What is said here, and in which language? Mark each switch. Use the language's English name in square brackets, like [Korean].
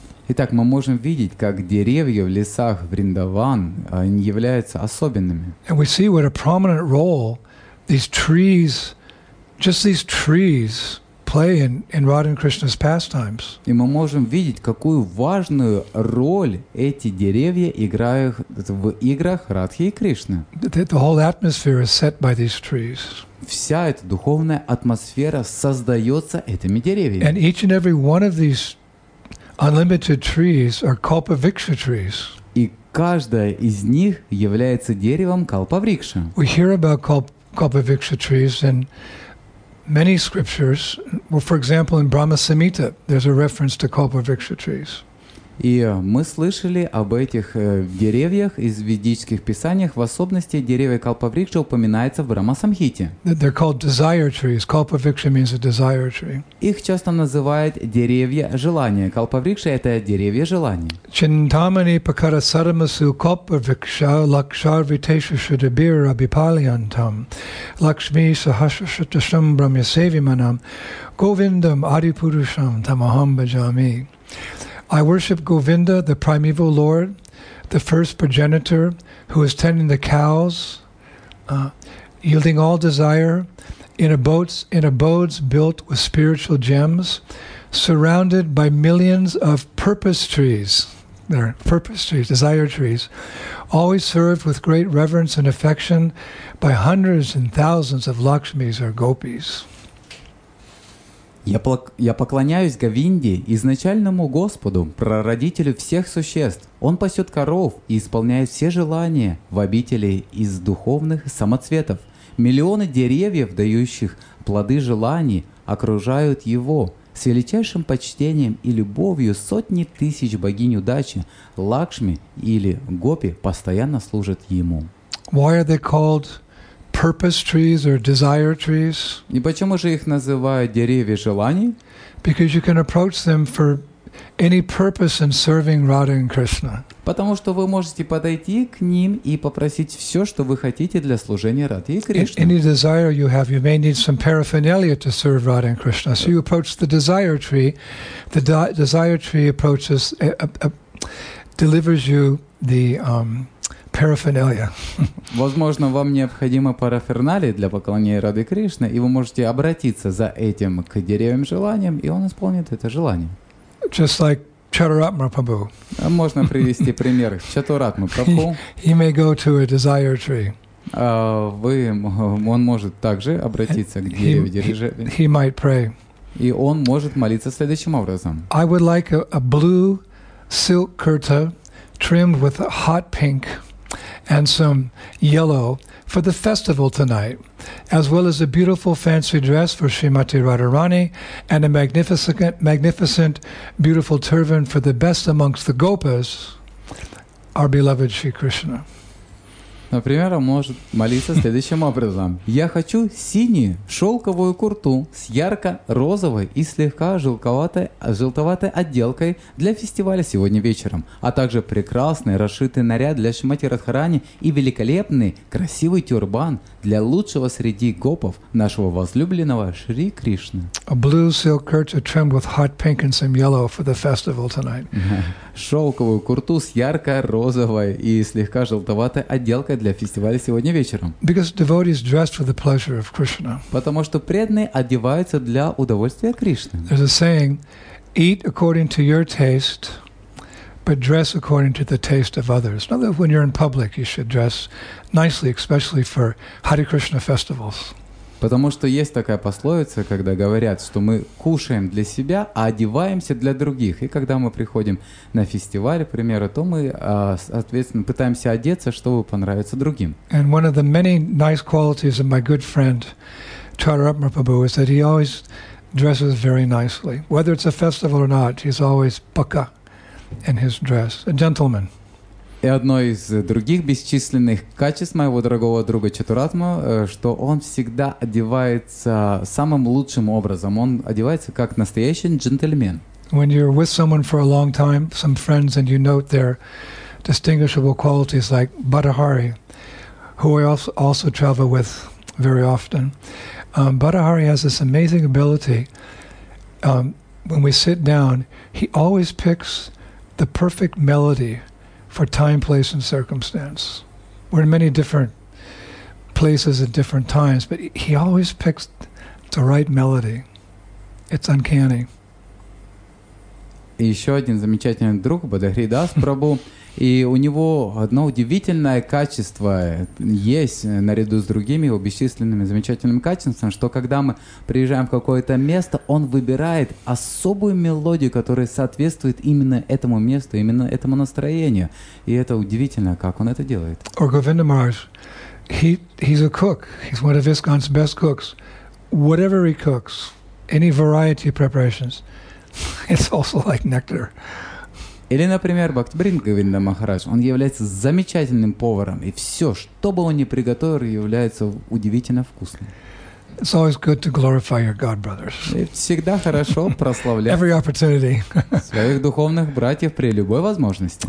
[Russian] Итак, мы можем видеть, как деревья в лесах Вриндаван являются особенными. [English] And we see what a prominent role these trees, just these trees, play in Radha and Krishna's pastimes. [Russian] И мы можем видеть, какую важную роль эти деревья играют в играх Радхи и Кришны. [English] The whole atmosphere is set by these trees. [Russian] Вся эта духовная атмосфера создается этими деревьями. [English] And each and every one of these unlimited trees are kalpavriksha trees. [Russian] И каждая из них является деревом калпаврикша. [English] We hear about kalpavriksha trees and many scriptures, well, for example, in Brahma Samhita, there's a reference to kalpavriksha trees. [Russian] И мы слышали об этих деревьях из ведических писаний, в особенности деревья Калпавриксы упоминается в Брахмасамхите. [English] They're called desire trees. Калпавриксы means a desire tree. [Russian] Их часто называют деревья желания. Калпавриксы — это деревья желания. [Sanskrit] Чинтамани пакарасарамасу Калпавриксы лакшарвитеша шадабира абипалиантам лакшми сахашашатасам брамьясевиманам говиндам арипурушам тамахам баджами. [English] I worship Govinda, the primeval Lord, the first progenitor, who is tending the cows, yielding all desire, in abodes built with spiritual gems, surrounded by millions of purpose trees. They're purpose trees, desire trees, always served with great reverence and affection by hundreds and thousands of Lakshmis or gopis. [Russian] Я поклоняюсь Говинде, изначальному Господу, прародителю всех существ. Он пасет коров и исполняет все желания в обители из духовных самоцветов. Миллионы деревьев, дающих плоды желаний, окружают его. С величайшим почтением и любовью сотни тысяч богинь удачи, Лакшми или Гопи, постоянно служат ему. [English] Why are they called purpose trees or desire trees? [Russian] И почему же их называют деревья желаний? [English] Because you can approach them for any purpose in serving Radha and Krishna. [Russian] Потому что вы можете подойти к ним и попросить все, что вы хотите для служения Раде и Кришне. [English] Any desire you have, you may need some paraphernalia to serve Radha and Krishna. So you approach the desire tree. The desire tree approaches, delivers you the paraphernalia. [Russian] Возможно, вам необходимо параферналии для поклонения Рады Кришны, и вы можете обратиться за этим к деревьям желаниям, и он исполнит это желание. [English] Just like Chaturatma Prabhu. [Russian] Можно привести пример Чатуратма Прабху. [English] He may go to a desire tree. [Russian] Он может также обратиться к деревьям желаний. [English] He might pray. [Russian] И он может молиться следующим образом. [English] I would like a blue silk kurta trimmed with hot pink and some yellow for the festival tonight, as well as a beautiful fancy dress for Srimati Radharani and a magnificent beautiful turban for the best amongst the gopas, our beloved Sri Krishna. [Russian] Например, он может молиться следующим образом. Я хочу синюю шелковую курту с ярко-розовой и слегка желтоватой отделкой для фестиваля сегодня вечером, а также прекрасный расшитый наряд для Шимати Радхарани и великолепный красивый тюрбан для лучшего среди гопов нашего возлюбленного Шри Кришны. [English] A blue silk kurta trimmed with hot pink and some yellow for the festival tonight. [Russian] Шелковую курту с ярко-розовой и слегка желтоватой отделкой для фестиваля сегодня вечером. [English] Because devotees dress for the pleasure of Krishna. [Russian] Потому что преданные одеваются для удовольствия Кришны. [English] There's a saying, eat according to your taste, but dress according to the taste of others. Not that when you're in public, you should dress nicely, especially for Hare Krishna festivals. [Russian] Потому что есть такая пословица, когда говорят, что мы кушаем для себя, а одеваемся для других. И когда мы приходим на фестиваль, к примеру, то мы, соответственно, пытаемся одеться, чтобы понравиться другим. [English] And one of the many nice qualities of my good friend Chaturatma Prabhu is that he always dresses very nicely. Whether it's a festival or not, he's always pukka in his dress. A gentleman. [Russian] И одно из других бесчисленных качеств моего дорогого друга Чатуратма, что он всегда одевается самым лучшим образом. Он одевается как настоящий джентльмен. [English] When you're with someone for a long time, some friends, and you note their distinguishable qualities, like Badahari, who I also travel with very often. Badahari has this amazing ability. When we sit down, he always picks the perfect melody for time, place, and circumstance. We're in many different places at different times, but he always picks the right melody. It's uncanny. [Russian] Еще один замечательный друг, Бадахридас Прабу, и у него одно удивительное качество есть, наряду с другими его бесчисленными замечательными качествами, что когда мы приезжаем в какое-то место, он выбирает особую мелодию, которая соответствует именно этому месту, именно этому настроению. И это удивительно, как он это делает. [English] Or Govinda Maharaj, he's a cook. He's one of ISKCON's best cooks. Whatever he cooks, any variety of preparations, it's also like nectar. [Russian] Или, например, Бхактивинода Говинда Махарадж, он является замечательным поваром, и все, что бы он ни приготовил, является удивительно вкусным. [English] It's always good to glorify your God brothers. [Russian] Всегда хорошо прославлять [English] every opportunity. [Russian] Своих духовных братьев при любой возможности.